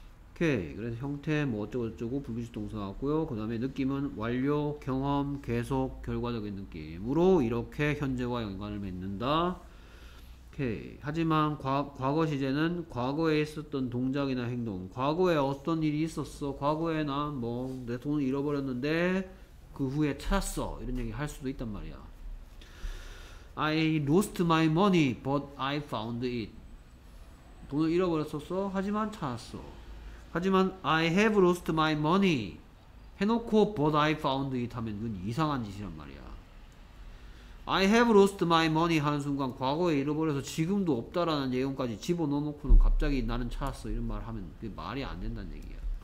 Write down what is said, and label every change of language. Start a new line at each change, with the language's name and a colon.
Korean: 오케이. 그래서 형태 뭐 어쩌고저쩌고 불규칙 동사 같고요. 그 다음에 느낌은 완료, 경험, 계속, 결과적인 느낌으로 이렇게 현재와 연관을 맺는다. 오케이. 하지만 과거 시제는 과거에 있었던 동작이나 행동, 과거에 어떤 일이 있었어, 과거에 난뭐내 돈을 잃어버렸는데 그 후에 찾았어 이런 얘기 할 수도 있단 말이야.
English: I lost my money, but I found it.
Korean: 돈을 잃어버렸었어, 하지만 찾았어. 하지만
English: I have lost my money
Korean: 해놓고
English: but I found it
Korean: 하면 이건 이상한 짓이란 말이야.
English: I have lost my money
Korean: 하는 순간 과거에 잃어버려서 지금도 없다라는 예언까지 집어넣어놓고는 갑자기 나는 찾았어 이런 말 하면 그게 말이 안 된다는 얘기야.